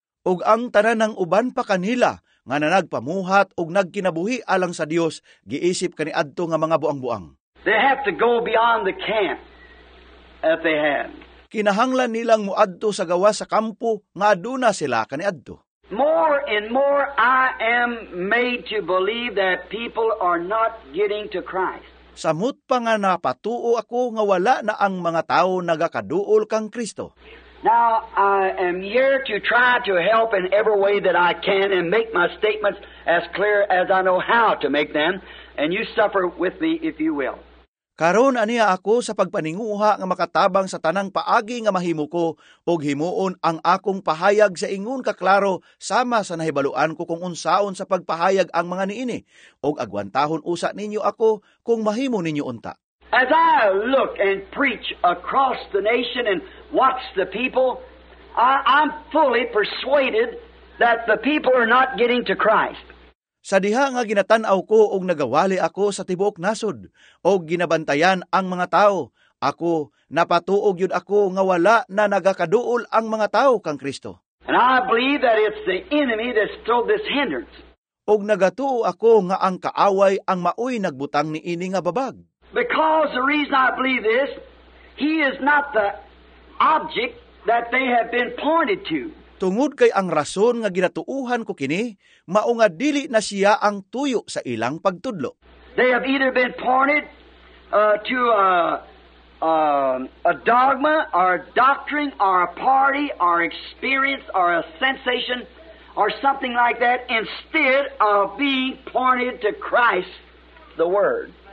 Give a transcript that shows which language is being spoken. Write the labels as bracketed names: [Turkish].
[Cebuano] Ug ang tanan ng uban pa kanila nga nanagpamuhat ug nagkinabuhi alang sa Dios giisip kani adto nga mga buang-buang. [English] They have to go beyond the camp that they had. [Cebuano] Kinahanglan nilang muadto sa gawas sa kampo nga aduna sila kani adto. [English] More and more I am made to believe that people are not getting to Christ. [Cebuano] Samut pa nga napatuo ako nga wala na ang mga tao nagakaduol kang Kristo. [English] Now, I am here to try to help in every way that I can and make my statements as clear as I know how to make them, and you suffer with me if you will. [Cebuano] Karon aniya ako sa pagpaninguha nga makatabang sa tanang paagi nga mahimo ko ug himuon ang akong pahayag sa ingon kaklaro sama sa nahibaluan ko kung unsaon sa pagpahayag ang mga niini ug agwantahon usa ninyo ako kung mahimo ninyo unta. [English] As I look and preach across the nation and watch the people, I'm fully persuaded that the people are not getting to Christ. [Cebuano] Sa diha nga ginatan-aw ko og nagawali ako sa tibuok nasod og ginabantayan ang mga tao, ako napatuog yun ako nga wala na nagakaduol ang mga tao kang Kristo. [English] And I believe that it's the enemy that's still this hindrance. [Cebuano] Og nagatuo ako nga ang kaaway ang maoy nagbutang ni ini nga babag. [English] Because the reason I believe this, he is not the object that they have been pointed to. [Cebuano] Tungod kay ang rason nga ginatuuhan ko kini, mao nga dili na siya ang tuyo sa ilang pagtudlo. [English] They have either been pointed to a dogma or a doctrine or a party or experience or a sensation or something like that instead of being pointed to Christ, the Word.